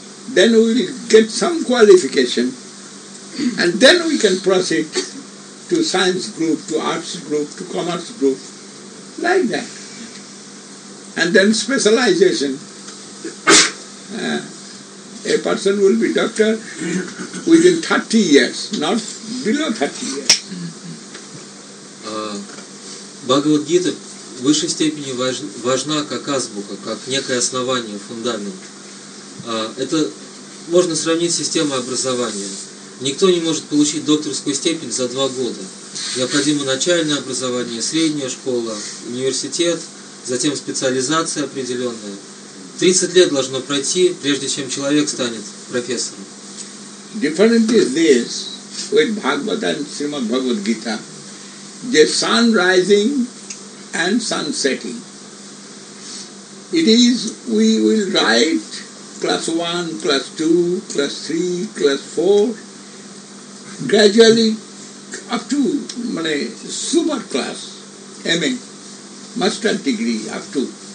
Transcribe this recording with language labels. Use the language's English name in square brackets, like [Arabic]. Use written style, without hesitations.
[English] Then we will get some qualification and then we can proceed to science group, to arts group, to commerce group, like that. And then specialization. a person will be doctor within 30 years, not below 30 years. [Russian] Bhagavad Gita в высшей степени важна как азбука, как некое основание, фундамент. Это можно сравнить с системой образования. Никто не может получить докторскую степень за 2 года. Необходимо начальное образование, средняя школа, университет, затем специализация определенная. 30 лет должно пройти, прежде чем человек станет профессором. [English] Different is this with Bhagavad and Srimad Bhagavad Gita. The sun rising and sun setting. It is, we will write class 1, class 2, class 3, class 4, gradually up to super class, MA, master degree up to.